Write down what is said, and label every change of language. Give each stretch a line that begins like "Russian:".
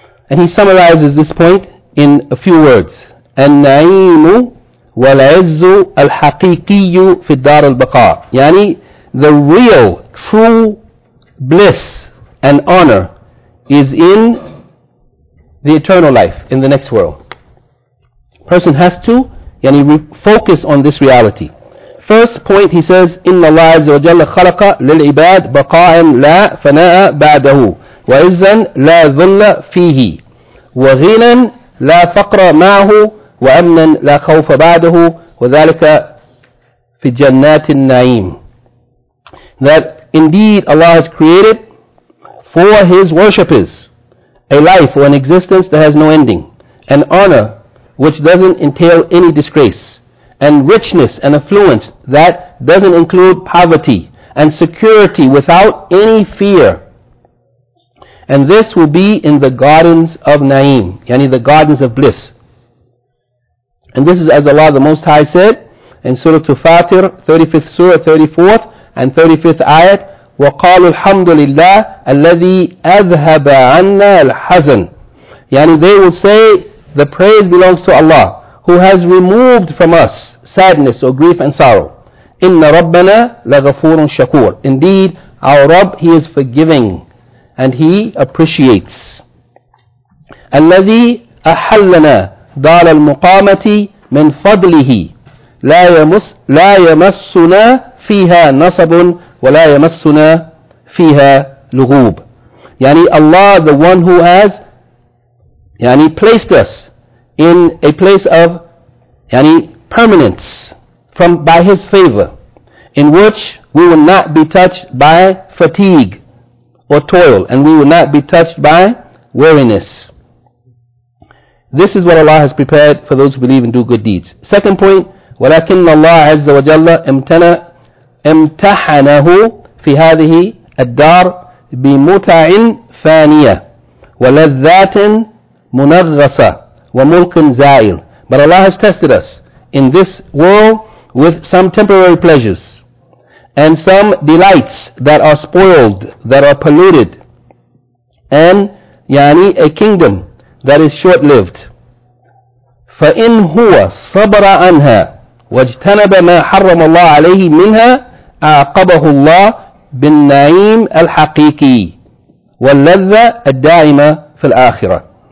English: And he summarizes this point in a few words.
Arabic: Al-Na'imu wal-Izzu al-Haqiqiyu fi dar al-Baqa.
English: The real, true bliss and honor is in the eternal life, in the next world. Person has to focus on this reality. First point, he says,
Arabic: إِنَّ اللَّهَ عَزَّ وَجَلَّ خَلَقَ لِلْعِبَادِ بَقَاءً لَا فَنَاءَ بَعْدَهُ وَإِزًّا لَا ذُلَّ فِيهِ وَغِنًا لَا فَقْرَ مَعْهُ وَأَمْنًا لَا خَوْفَ بَعْدَهُ وَذَلِكَ فِي جَنَّاتِ النَّعِيمِ.
English: That indeed Allah has created for His worshippers a life or an existence that has no ending, an honor which doesn't entail any disgrace, and richness and affluence that doesn't include poverty, and security without any fear. And this will be in the gardens of Naim, the gardens of bliss. And this is as Allah the Most High said in Surah Al-Fatir, 35th Surah, 34th and 35th Ayat,
Arabic: وَقَالُوا الْحَمْدُ لِلَّهِ الَّذِي أَذْهَبَ عَنَّا الْحَزَنِ.
English: They will say, the praise belongs to Allah, who has removed from us sadness or grief and sorrow.
Arabic: إِنَّ رَبَّنَا لَغَفُورٌ شَكُورٌ.
English: Indeed, our Rabb, He is forgiving and He appreciates.
Arabic: الَّذِي أَحَلَّنَا دَارَ الْمُقَامَةِ مِنْ فَضْلِهِ لَا يَمَسُّنَا فِيهَا نَصَبٌ وَلَا يَمَسُّنَا فِيهَا لُغُوبٌ.
English: Allah, the one who has placed us in a place of yani permanence from by his favor, in which we will not be touched by fatigue or toil, and we will not be touched by weariness. This is what Allah has prepared for those who believe and do good deeds. Second point,
Arabic: ولكن الله عز وجل امتحنه في هذه الدار بمتع فانية ولذات منغصة وملك زائل.
English: But Allah has tested us in this world with some temporary pleasures and some delights that are spoiled, that are polluted, and يعني a kingdom that is short-lived.
Arabic: فَإِنْ هُوَ صَبْرَ عَنْهَا وَاجْتَنَبَ مَا حَرَّمَ اللَّهُ عَلَيْهِ مِنْهَا أَعْقَبَهُ اللَّهُ بِالنَّعِيمِ الْحَقِيقِي وَاللَّذَّةِ الدَّائِمَةِ فِي الْآخِرَةِ.